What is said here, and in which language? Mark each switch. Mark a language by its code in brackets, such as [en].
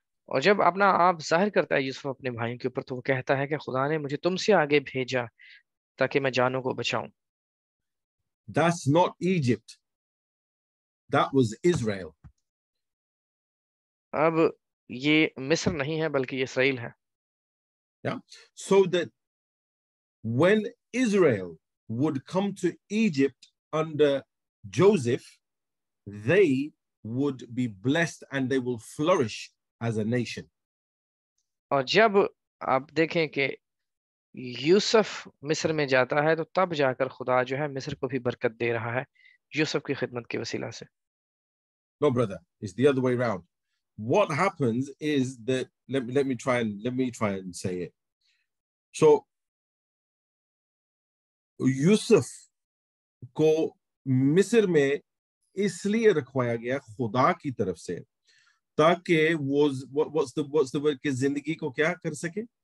[hi] और जब अपना आप जाहिर करता है यूसुफ अपने भाइयों के ऊपर, तो वो कहता है कि खुदा ने मुझे तुमसे आगे भेजा ताकि मैं जानों को बचाऊं। [en] That's not Egypt. That was Israel. [hi] अब ये मिस्र नहीं है बल्कि इसराइल है। [en] Yeah. So that when Israel would come to Egypt under Joseph, they would be blessed and they will flourish as a nation. [hi] और जब आप देखें कि यूसुफ मिस्र में जाता है, तो तब जाकर खुदा जो है मिस्र को भी बरकत दे रहा है यूसुफ की खिदमत के वसीला से। [en] No, brother, it's the other way around. What happens is that let me try and say it. [hi] So Yusuf को मिस्र में इसलिए रखवाया गया खुदा की तरफ से ताकि वो [en] what's the word [hi] के जिंदगी को क्या कर सके,